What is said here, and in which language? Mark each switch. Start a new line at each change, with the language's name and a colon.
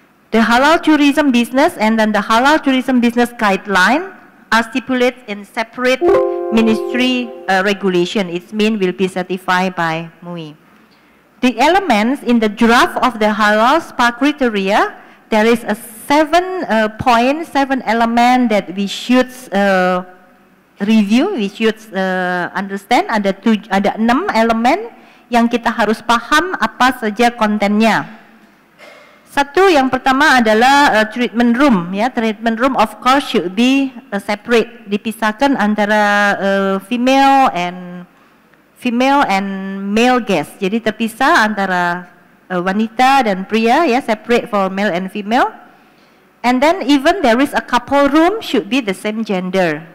English: The halal tourism business and then the halal tourism business guideline are stipulated in separate ministry regulation. It means will be certified by MUI. The elements in the draft of the halal spa criteria, there is a seven element that we should review, we should understand.
Indonesian: Ada enam element yang kita harus paham apa saja kontennya. Satu yang pertama adalah treatment room, ya.
English: Treatment room of course should be separate,
Indonesian: dipisahkan antara
English: female and male guests.
Indonesian: Jadi terpisah antara wanita dan pria, ya.
English: Separate for male and female. And then even there is a couple room should be the same gender.